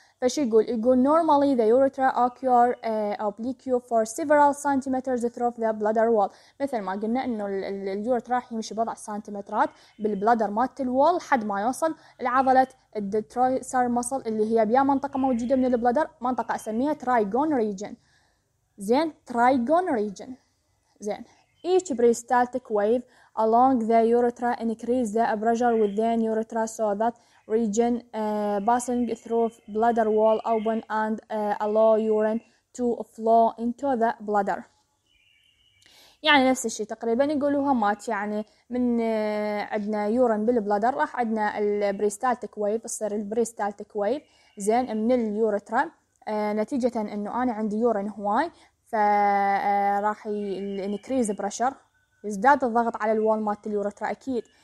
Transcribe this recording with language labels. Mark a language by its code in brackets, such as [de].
[ar] فش يقول؟ يقول [en] normally the urethra occur oblique for several centimeters through the bladder wall، [ar] مثل ما قلنا انه اليورترا راح يمشي بضع سنتيمترات بالبلادر مات الوال حد ما يوصل العضلة الدترويسر مسل اللي هي بيا منطقة موجودة من البلادر، منطقة اسميها ترايجون ريجن. زين ترايجون ريجن. [en] Then each peristaltic wave along the urethra increase the pressure within urethra so that region passing through bladder wall open and allow urine to flow into the bladder. [ar] يعني نفس الشيء تقريبا يقولوها مات، يعني من عندنا يورين بالبلادر راح عندنا البريستالتك ويف، تصير البريستالتك ويف زين من اليورترا نتيجة انه انا عندي يورين هواي، فراح increase pressure يزداد الضغط على الوال مات اليورترا اكيد.